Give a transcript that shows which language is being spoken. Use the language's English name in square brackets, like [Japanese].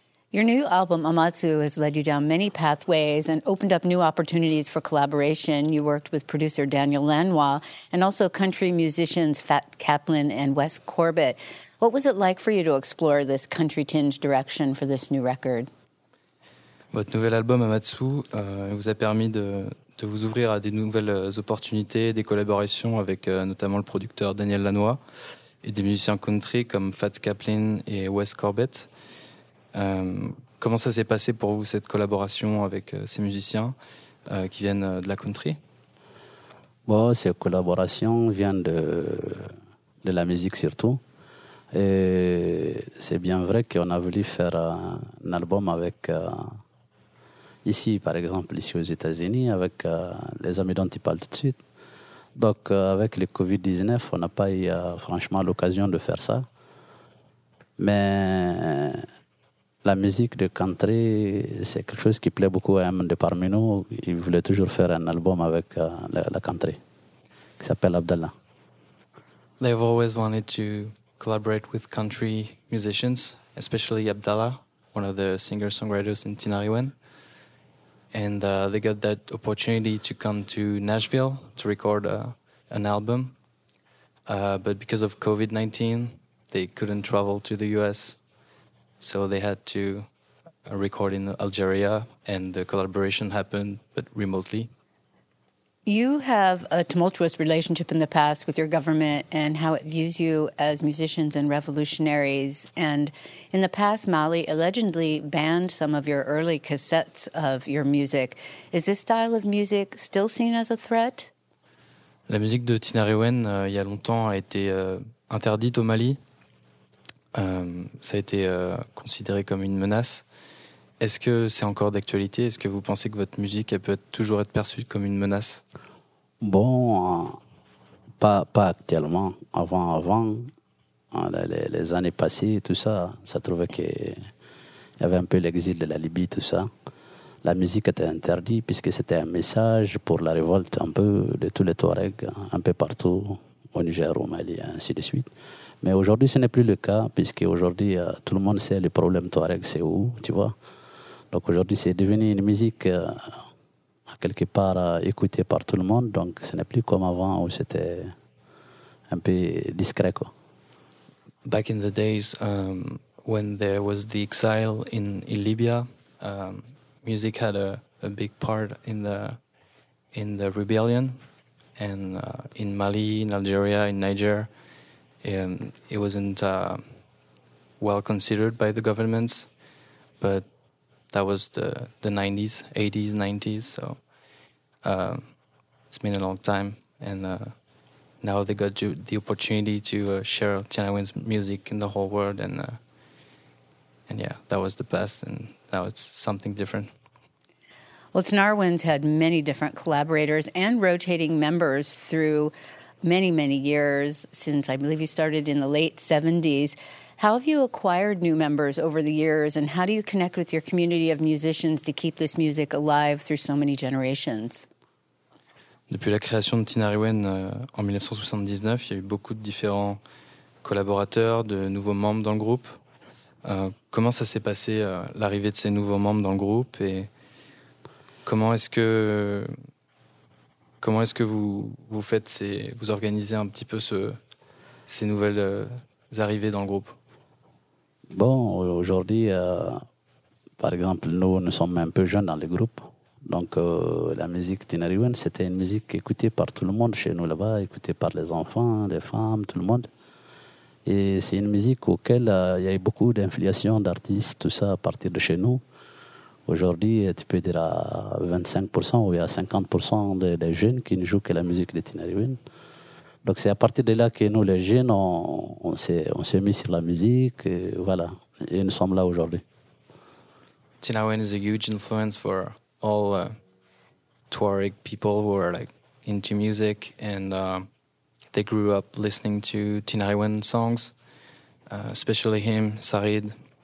[English] Your new album, Amatsu, has led you down many pathways and opened up new opportunities for collaboration. You worked with producer Daniel Lanois and also country musicians Fat Kaplan and Wes Corbett. What was it like for you to explore this country-tinged direction for this new record? [French] Votre nouvel album Amatsu vous a permis de vous ouvrir à des nouvelles opportunités, des collaborations avec notamment le producteur Daniel Lanois et des musiciens country comme Fats Kaplan et Wes Corbett. Comment ça s'est passé pour vous cette collaboration avec ces musiciens qui viennent de la country? Bon, ces collaborations viennent de la musique surtout. Et c'est bien vrai qu'on a voulu faire un album avec, ici par exemple, ici aux États-Unis, avec les amis dont tu parles tout de suite. Donc avec le Covid-19, on n'a pas eu franchement l'occasion de faire ça. Mais La musique de country, c'est quelque chose qui plaît beaucoup à un de parmi nous. Il voulait toujours faire un album avec la country, qui s'appelle Abdallah. [English] They've always wanted to collaborate with country musicians, especially Abdallah, one of the singer-songwriters in Tinariwen. And they got that opportunity to come to Nashville to record an album. But because of COVID-19, they couldn't travel to the U.S., so they had to record in Algeria, and the collaboration happened, but remotely. You have a tumultuous relationship in the past with your government and how it views you as musicians and revolutionaries. And in the past, Mali allegedly banned some of your early cassettes of your music. Is this style of music still seen as a threat? [French] La musique de Tinariwen, il y a longtemps, a été interdite au Mali. Ça a été considéré comme une menace. Est-ce que c'est encore d'actualité? Est-ce que vous pensez que votre musique elle peut toujours être perçue comme une menace? Bon, pas actuellement. Avant, les années passées, tout ça, ça trouvait qu'il y avait un peu l'exil de la Libye, tout ça. La musique était interdite puisque c'était un message pour la révolte un peu de tous les Touaregs, un peu partout, au Niger, au Mali, ainsi de suite. Mais aujourd'hui, ce n'est plus le cas, puisque aujourd'hui, tout le monde sait le problème Touareg, c'est où, tu vois. Donc aujourd'hui, c'est devenu une musique, quelque part, écoutée par tout le monde. Donc ce n'est plus comme avant, où c'était un peu discret, quoi. [English] Back in the days, when there was the exile in Libya, music had a big part in the rebellion. And in Mali, in Algeria, in Niger, it wasn't well considered by the governments, but that was the 90s, 80s, 90s, so it's been a long time, and now they got the opportunity to share Tinariwen's music in the whole world, and yeah, that was the best, and now it's something different. Well, Tinariwen's had many different collaborators and rotating members through many, many years, since I believe you started in the late 70s. How have you acquired new members over the years, and how do you connect with your community of musicians to keep this music alive through so many generations? [French] Depuis la création de Tinariwen en 1979, il y a eu beaucoup de différents collaborateurs, de nouveaux membres dans le groupe. Comment ça s'est passé, l'arrivée de ces nouveaux membres dans le groupe, et comment est-ce que vous faites vous organisez un petit peu ces nouvelles arrivées dans le groupe? Bon, aujourd'hui, par exemple, nous sommes un peu jeunes dans le groupe. Donc, la musique Tinariwen, c'était une musique écoutée par tout le monde chez nous là-bas, écoutée par les enfants, les femmes, tout le monde. Et c'est une musique auquel il y a eu beaucoup d'influences d'artistes, tout ça, à partir de chez nous. Aujourd'hui, tu peux dire à 25% ou à 50% des jeunes qui ne jouent que la musique de Tinariwen. Donc c'est à partir de là que nous, les jeunes, on s'est mis sur la musique. Et voilà, et nous sommes là aujourd'hui. [English] Tinariwen is a huge influence for all Tuareg people who are like into music, and they grew up listening to Tinariwen songs, especially him, Sarid.